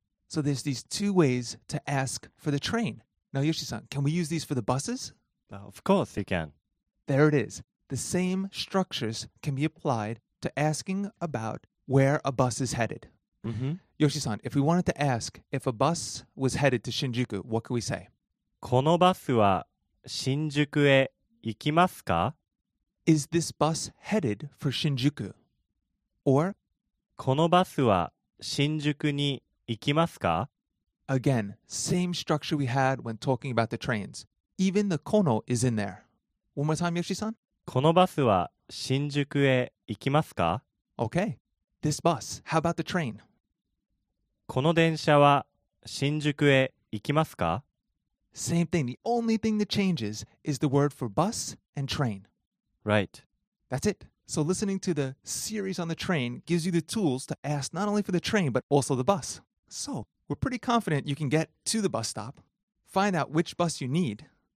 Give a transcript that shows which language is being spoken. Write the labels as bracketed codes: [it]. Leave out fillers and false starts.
[en] So there's these two ways to ask for the train. Now, Yoshi-san, can we use these for the buses? Of course you can. There it is. The same structures can be applied to asking about where a bus is headed. Mm-hmm. Yoshi-san, if we wanted to ask if a bus was headed to Shinjuku, what could we say? [ja] このバスは新宿へ行きますか? [en] Is this bus headed for Shinjuku? Or [ja] このバスは新宿に行きますか? [en] Again, same structure we had when talking about the trains. Even the この is in there. One more time, Yoshi-san. [ja] このバスは新宿へ行きますか? [en] Okay. This bus, how about the train? [ja] この電車は新宿へ行きますか? [en] Same thing. The only thing that changes is the word for bus and train. Right. That's it. So listening to the series on the train gives you the tools to ask not only for the train, but also the bus. So we're pretty confident you can get to the bus stop, find out which bus you need.